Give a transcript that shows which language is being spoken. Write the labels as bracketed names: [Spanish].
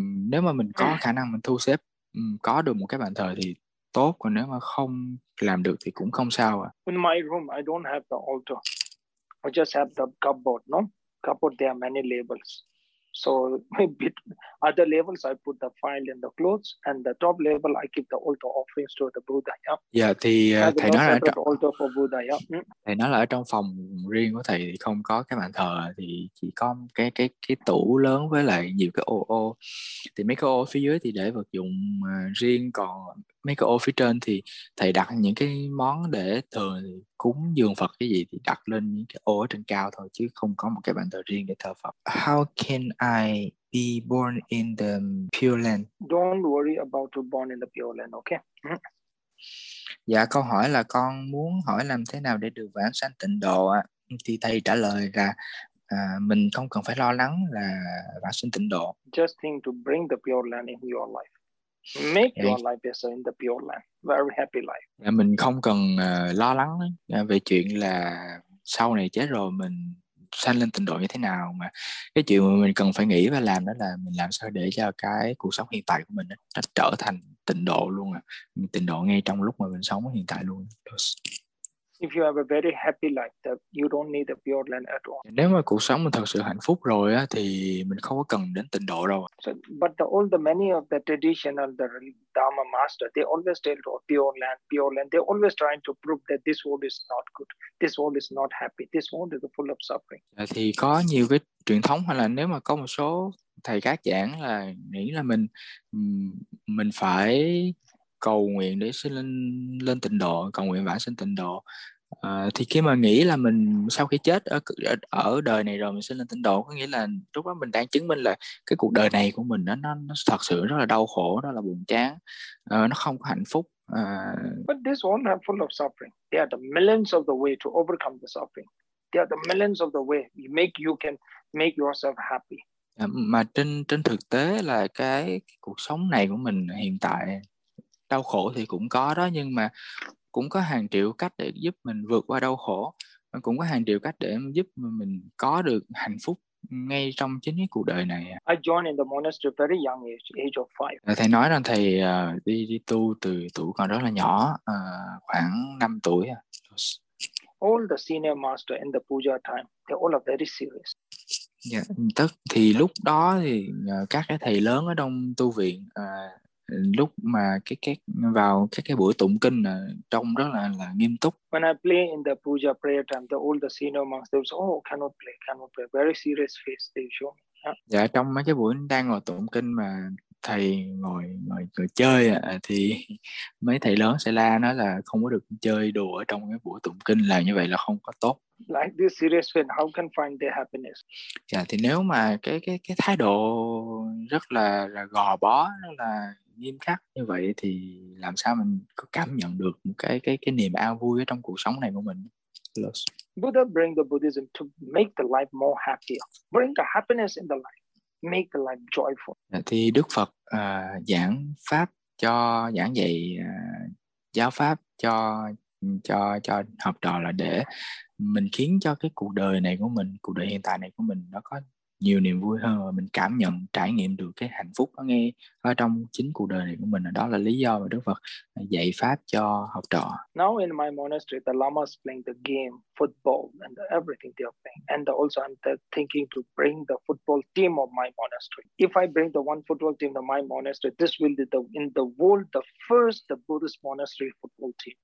[Vietnamese] Nếu mà mình có khả năng mình thu xếp có được một cái bàn thờ thì tốt, còn nếu mà không làm được thì cũng không sao ạ. [English] In my room, I don't have the altar. I just have the cupboard, no? Cupboard, there are many labels. So, other labels, I put the file and the clothes, and the top label, I keep the altar offerings to the Buddha, yeah? [Vietnamese] Dạ, thì [English] I have [Vietnamese] thầy [English] no [Vietnamese] nói là [English] separate altar for Buddha, yeah? [Vietnamese] thầy nói là ở trong phòng riêng của thầy thì không có cái bàn thờ, thì chỉ có cái tủ lớn với lại nhiều cái ô ô, thì mấy cái ô phía dưới thì để vật dụng riêng, còn mấy cái ô phía trên thì thầy đặt những cái món để thờ, thì cúng dường Phật cái gì thì đặt lên những cái ô ở trên cao thôi, chứ không có một cái bàn thờ riêng để thờ Phật. [English] How can I be born in the Pure Land? Don't worry about to born in the Pure Land, okay? [Vietnamese] Dạ, câu hỏi là con muốn hỏi làm thế nào để được vãng sanh tịnh độ ạ? Thì thầy trả lời là mình không cần phải lo lắng là vãng sanh tịnh độ. [English] Just think to bring the Pure Land in your life. Make [Vietnamese] Dạ, [English] your life better in the Pure Land. Very happy life. [Vietnamese] mình không cần lo lắng về chuyện là sau này chết rồi mình xanh lên tình độ như thế nào, mà cái chuyện mà mình cần phải nghĩ và làm đó là mình làm sao để cho cái cuộc sống hiện tại của mình nó trở thành tịnh độ luôn à, tịnh độ ngay trong lúc mà mình sống hiện tại luôn. [English] If you have a very happy life, that you don't need the pure land at all. [Vietnamese] Nếu mà cuộc sống mình thật sự hạnh phúc rồi á, thì mình không có cần đến tịnh độ đâu. [English] So, but all the many of the traditional the Dharma master, they always tell about pure land, they always trying to prove that this world is not good, this world is not happy, this world is full of suffering. [Vietnamese] Thì có nhiều cái truyền thống, hay là nếu mà có một số thầy các giảng là nghĩ là mình phải cầu nguyện để sinh lên tịnh độ, cầu nguyện vãng sinh tịnh độ. Thì khi mà nghĩ là mình sau khi chết ở đời này rồi mình sinh lên tịnh độ, có nghĩa là lúc đó mình đang chứng minh là cái cuộc đời này của mình nó thật sự rất là đau khổ, nó là buồn chán, nó không có hạnh phúc. [English] But this one have full of suffering. There are the millions of the way to overcome the suffering. There are the millions of the way you make you can make yourself happy. [Vietnamese] Mà trên thực tế là cái cuộc sống này của mình hiện tại đau khổ thì cũng có đó, nhưng mà cũng có hàng triệu cách để giúp mình vượt qua đau khổ, cũng có hàng triệu cách để giúp mình có được hạnh phúc ngay trong chính cái cuộc đời này. [English] I joined in the monastery very young age, age of 5. [Vietnamese] Thầy nói rằng thầy đi tu từ tuổi còn rất là nhỏ, khoảng 5 tuổi. [English] All the senior master in the puja time, they all are very serious. [Vietnamese] Yeah, tức thì lúc đó thì các cái thầy lớn ở trong tu viện lúc mà cái vào cái buổi tụng kinh trông rất là nghiêm túc. [English] When I play in the puja prayer time, the older senior monks, they say, oh, cannot play, very serious face they show. [Vietnamese] Dạ, trong mấy cái buổi đang ngồi tụng kinh mà thầy ngồi chơi thì mấy thầy lớn sẽ la nói là không có được chơi đùa trong cái buổi tụng kinh, là như vậy là không có tốt. [English] Like this serious face, how can find their happiness? [Vietnamese] Dạ, thì nếu mà cái thái độ rất là gò bó, rất là nghiêm khắc như vậy thì làm sao mình có cảm nhận được cái niềm an vui ở trong cuộc sống này của mình? [English] Buddha bring the Buddhism to make the life more happier, bring the happiness in the life, make the life joyful. [Vietnamese] Thì Đức Phật giảng pháp cho giảng dạy giáo pháp cho học trò là để mình khiến cho cái cuộc đời này của mình, cuộc đời hiện tại này của mình nó có nhiều niềm vui hơn, và mình cảm nhận trải nghiệm được cái hạnh phúc nó ngay ở trong chính cuộc đời này của mình. Đó là lý do mà Đức Phật dạy pháp cho học trò. [English] Now in my monastery, the lamas playing the game football and everything they are playing, and also I'm thinking to bring the football team of my monastery. If I bring the one football team of my monastery, this will be the in the world the first the Buddhist monastery football team.